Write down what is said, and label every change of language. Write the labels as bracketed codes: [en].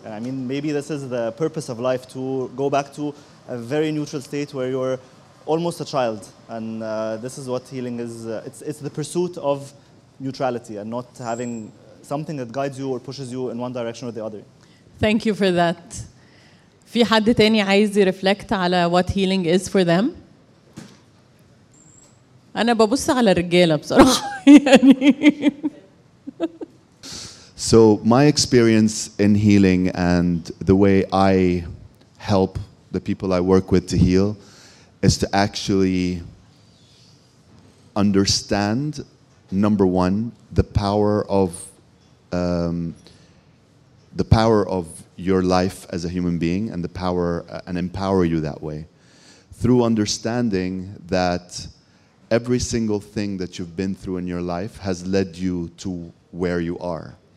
[en] And I mean, maybe this is the purpose of life, to go back to a very neutral state where you're almost a child. And this is what healing is. It's the pursuit of neutrality and not having something that guides you or pushes you in one direction or the other. Thank you for that. [ar] في حد تاني عايز يرفلكت على [en] what healing is for them؟ [ar] أنا ببص على الرجالة بصراحة يعني. [en] So my experience in healing and the way I help the people I work with to heal is to actually understand, number one, the power of your life as a human being and the power and empower you that way through understanding that every single thing that you've been through in your life has led you to where you are.